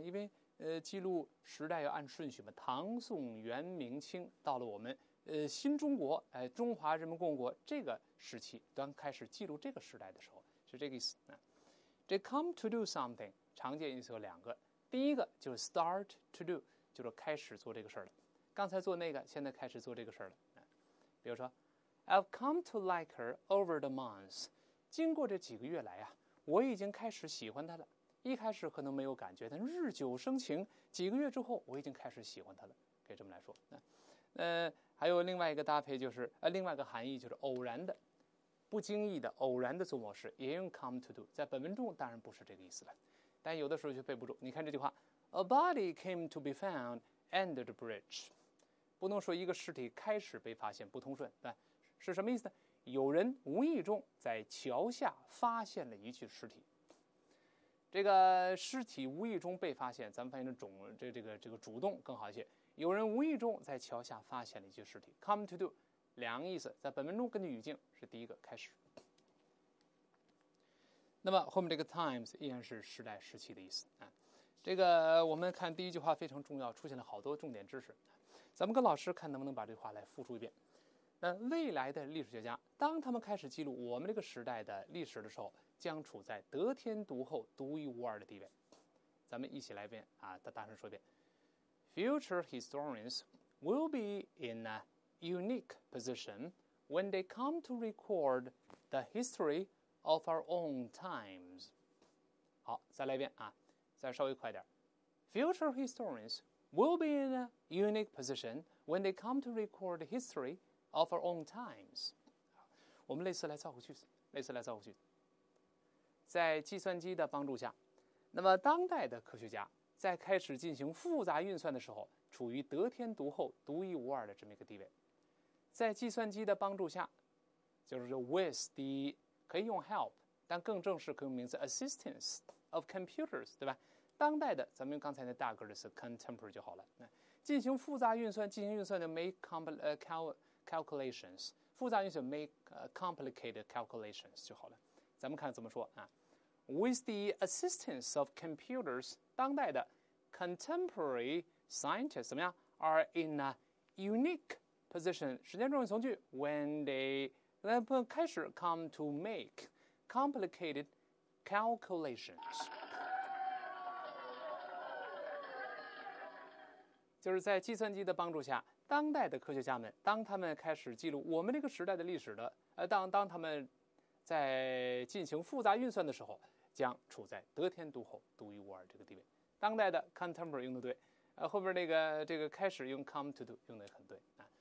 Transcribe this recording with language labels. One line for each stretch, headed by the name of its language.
Chinese: 因为记录时代要按顺序嘛，唐宋元明清到了我们新中国中华人民共和国这个时期，当开始记录这个时代的时候，是这个意思。这
English: come to do something
Chinese: 常见意思有两个，第一个就是 start to do， 就是开始做这个事了，刚才做那个，现在开始做这个事了。比如说
English: I've come to like her over the months.
Chinese: 经过这几个月来啊，我已经开始喜欢她了。一开始可能没有感觉，但日久生情，几个月之后我已经开始喜欢她了。可以这么来说。还有另外一个搭配就是另外一个含义就是偶然的、不经意的、偶然的做某事，也用 come to do。在本文中当然不是这个意思了，但有的时候就背不住。你看这句话
English: ，A body came to be found under the bridge.
Chinese: 不能说一个尸体开始被发现不通顺，对吧？是什么意思呢？有人无意中在桥下发现了一具尸体。这个尸体无意中被发现，咱们翻译成这个主动更好一些。有人无意中在桥下发现了一具尸体。Come to do， 两个意思，在本文中根据语境是第一个开始。那么后面这个 times 依然是时代时期的意思。这个我们看第一句话非常重要，出现了好多重点知识。咱们跟老师看能不能把这句话来复述一遍。那未来的历史学家，当他们开始记录我们这个时代的历史的时候，将处在得天独厚、独一无二的地位。咱们一起来一遍啊，大声说一遍
English: ：Future historians will be in a unique position when they come to record the history of our own times. 好。
Chinese: 好，再来一遍啊，再稍微快点。
English: Future historians will be in a unique position when they come to record the history of our own times.
Chinese: 我们类似来造个句子，类似来造个句子。在计算机的帮助下，那么当代的科学家在开始进行复杂运算的时候，处于得天独厚、独一无二的这么一个地位。在计算机的帮助下，就是 with the 可以用 help， 但更正式可以用名字 assistance of computers， 对吧？当代的，咱们用刚才那大个的是 contemporary 就好了。进行复杂运算，进行运算的 make calculations， 复杂运算 make complicated calculations 就好了。咱们看怎么说啊 ？
English: With the assistance of computers，
Chinese: 当代的
English: contemporary scientists
Chinese: 怎么样 ？
English: Are in a unique position，
Chinese: 时间重点从句 ，when they 开始
English: come to make complicated calculations。
Chinese: 就是在计算机的帮助下，当代的科学家们，当他们开始记录我们这个时代的历史的，当他们在进行复杂运算的时候，将处在得天独厚、独一无二这个地位。当代的 contemporary 用的对，后边那个这个开始用 come to do 用的很对啊。